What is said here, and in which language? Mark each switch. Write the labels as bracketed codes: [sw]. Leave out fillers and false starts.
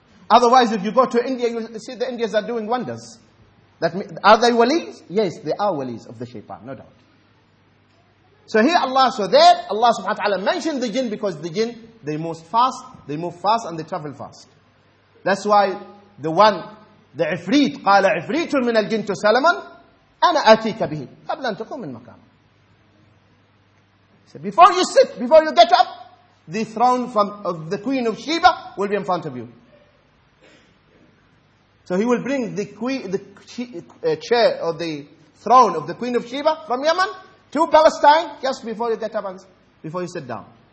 [en] Otherwise, if you go to India, you see the Indians are doing wonders. Are they walis? Yes, they are walis of the shaitan, no doubt. So here Allah, so there Allah subhanahu wa ta'ala mentioned the jinn because the jinn, they move fast, and they travel fast. That's why the one, the ifrit, [ar] قال عفريت من الجن to Salaman, أنا أتيك به قبل أن تقوم من مكانك. [en] So before you sit, before you get up, the throne of the Queen of Sheba will be in front of you. So he will bring the chair or the throne of the Queen of Sheba from Yemen to Palestine just before you get up and before you sit down.